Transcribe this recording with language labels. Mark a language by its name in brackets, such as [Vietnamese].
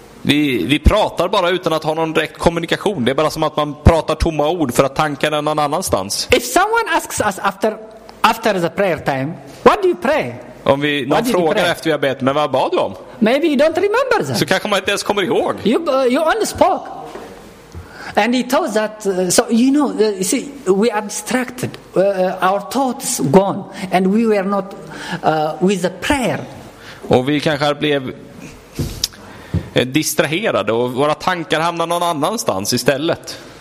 [Swedish] Vi pratar bara utan att ha någon direkt kommunikation. Det är bara som att man pratar tomma ord för att tankarna är någon annanstans. [English] If someone asks us after the prayer time, what do you pray? [Swedish] Om vi någon frågar efter vi har bett, men vad bad du om? [English] Maybe you don't remember that. [Swedish] Så kanske man inte ens kommer ihåg. [English] You only spoke. And he told that, so you know, you see, we are distracted, our thoughts gone, and we were not with the prayer. [Swedish] Och vi kanske blev distraherade och våra tankar hamnade någon annanstans istället.